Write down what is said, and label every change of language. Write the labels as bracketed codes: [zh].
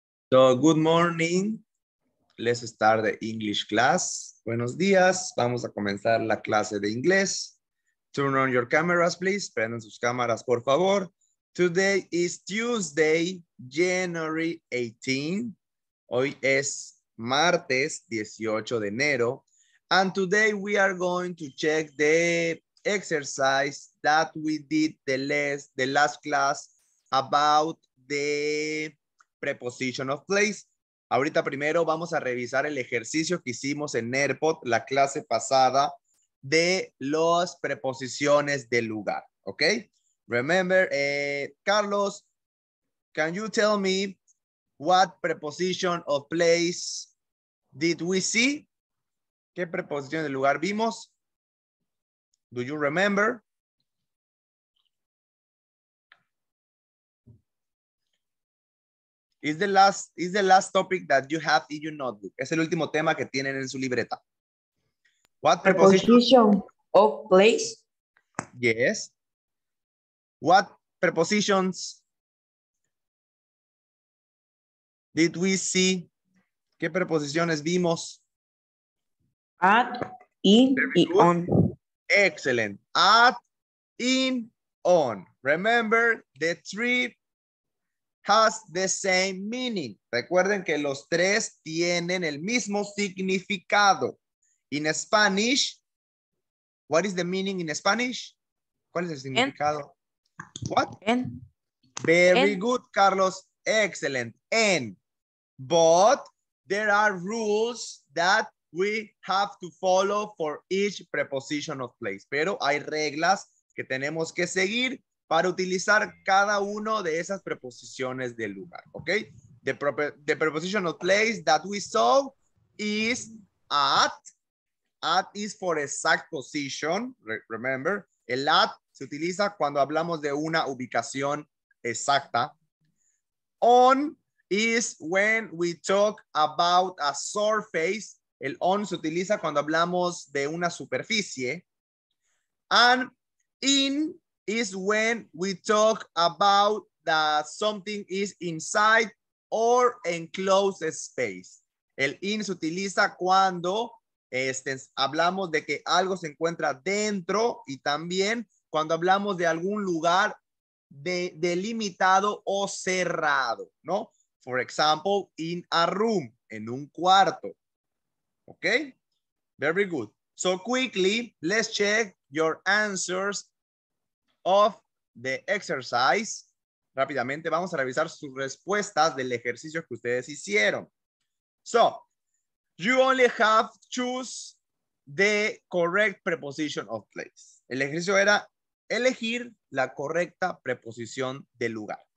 [en] So, good morning, let's start the English class. [es] Buenos días, vamos a comenzar la clase de inglés. [en] Turn on your cameras, please. [es] Prendan sus cámaras, por favor. [en] Today is Tuesday, January 18. [es] Hoy es martes 18 de enero. [en] And today we are going to check the exercise that we did the last class about the preposition of place. [es] Ahorita primero vamos a revisar el ejercicio que hicimos en AirPod la clase pasada de las preposiciones de lugar, ¿ok? [en] Remember, Carlos, can you tell me what preposition of place did we see? [es] ¿Qué preposición de lugar vimos? [en] Do you remember? Is the last topic that you have in your notebook. [es] Es el último tema que tienen en su libreta. [en] What preposition of place? Yes. What prepositions did we see? [es] ¿Qué preposiciones vimos? [en] At, in, y on. Excellent. At, in, on. Remember the three has the same meaning. [es] Recuerden que los tres tienen el mismo significado. [en] In Spanish, what is the meaning in Spanish? [es] ¿Cuál es el significado? What? En. [en] Very en. Good, Carlos. Excellent. En. But there are rules that we have to follow for each preposition of place. [es] Pero hay reglas que tenemos que seguir para utilizar cada uno de esas preposiciones de lugar, ¿ok? [en] The preposition of place that we saw is at. At is for exact position, remember. [es] El at se utiliza cuando hablamos de una ubicación exacta. [en] On is when we talk about a surface. [es] El on se utiliza cuando hablamos de una superficie. [en] And in is when we talk about that something is inside or enclosed space. [es] El in se utiliza cuando hablamos de que algo se encuentra dentro y también cuando hablamos de algún lugar delimitado o cerrado, ¿no? [en] For example, in a room, [es] en un cuarto. [en] Okay? Very good. So quickly, let's check your answers of the exercise. [es] Rápidamente vamos a revisar sus respuestas del ejercicio que ustedes hicieron. [en] So, you only have to choose the correct preposition of place. [es] El ejercicio era elegir la correcta preposición de lugar.